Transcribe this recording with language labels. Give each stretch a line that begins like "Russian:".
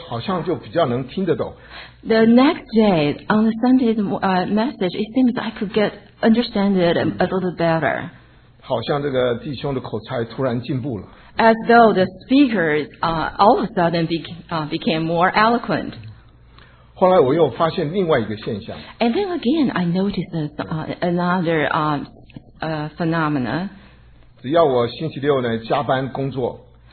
Chinese: 第二天的主日信息呢，我觉得我好像就比较能听得懂。
English: The next day, on the Sunday's message, it seems I could get understand it a little better.
Chinese: 好像这个弟兄的口才突然进步了。
English: As though the speakers all of a sudden became more eloquent.
Chinese: 后来我又发现另外一个现象。
English: And then again, I noticed another phenomena.
Chinese: 只要我星期六呢加班工作。